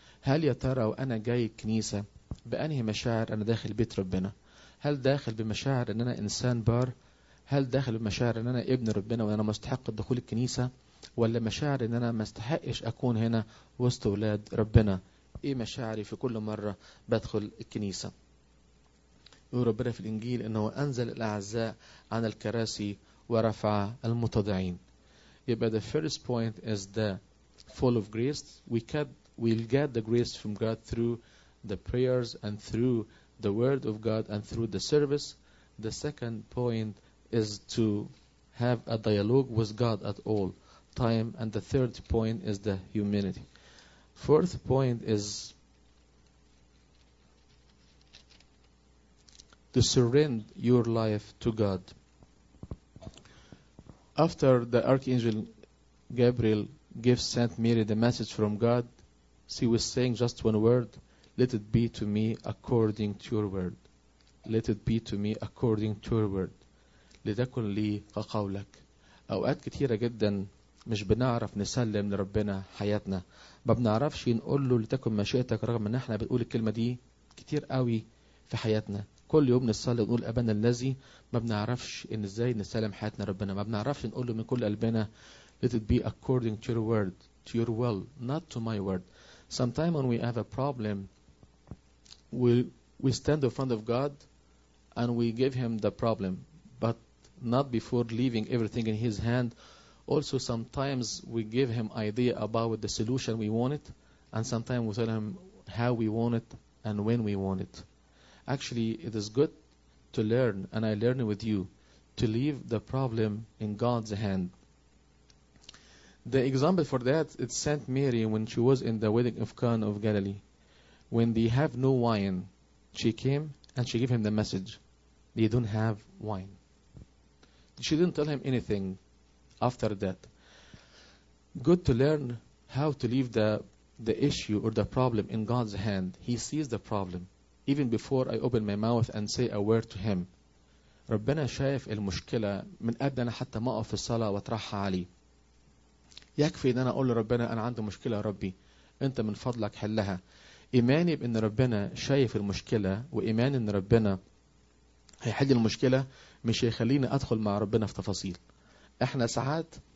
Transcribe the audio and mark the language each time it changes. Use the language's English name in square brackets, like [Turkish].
[Arabic] هل يا ترى وانا جاي الكنيسه بانهي مشاعر انا داخل بيت ربنا؟ هل داخل بمشاعر ان انا انسان بار؟ هل داخل بمشاعر ان انا ابن ربنا وانا مستحق الدخول الكنيسه؟ ولا مشاعر ان انا ما استحقش اكون هنا وسط اولاد ربنا؟ ايه مشاعري في كل مره بدخل الكنيسه؟ يقول ربنا في الانجيل انه انزل الاعزاء عن الكراسي ورفع المتضعين. يبقى [English] the first point is the full of grace. We'll get the grace from God through the prayers and through the word of God and through the service. The second point is to have a dialogue with God at all time. And the third point is the humility. Fourth point is to surrender your life to God. After the Archangel Gabriel gives Saint Mary the message from God, she was saying just one word, let it be to me according to your word. Let it be to me according to your word. [Arabic] لتكن لي كقولك. أوقات كتيرة جدا مش بنعرف نسلم لربنا حياتنا، ما بنعرفش نقول له لتكن مشيئتك، رغم ان احنا بنقول الكلمة دي كتير قوي في حياتنا. كل يوم نصلي نقول أبانا الذي، ما بنعرفش ان ازاي نسلم حياتنا ربنا. ما بنعرفش نقول له من كل قلبنا [English] let it be according to your word, to your will, not to my word. Sometimes when we have a problem, we stand in front of God and we give him the problem, but not before leaving everything in his hand. Also sometimes we give him idea about the solution we want it, and sometimes we tell him how we want it and when we want it. Actually, it is good to learn, and I learn with you, to leave the problem in God's hand. The example for that is Saint Mary when she was in the wedding of Cana of Galilee. When they have no wine, she came and she gave him the message. They don't have wine. She didn't tell him anything after that. Good to learn how to leave the issue or the problem in God's hand. He sees the problem even before I open my mouth and say a word to him. [Arabic] ربنا شايف المشكلة من قبل أنا حتى ما أقف في الصلاة وأطرحها عليه. يكفي إن أنا أقول لربنا أنا عندي مشكلة يا ربي، أنت من فضلك حلها. إيماني بإن ربنا شايف المشكلة وإيماني إن ربنا هيحل المشكلة مش هيخليني أدخل مع ربنا في تفاصيل. إحنا ساعات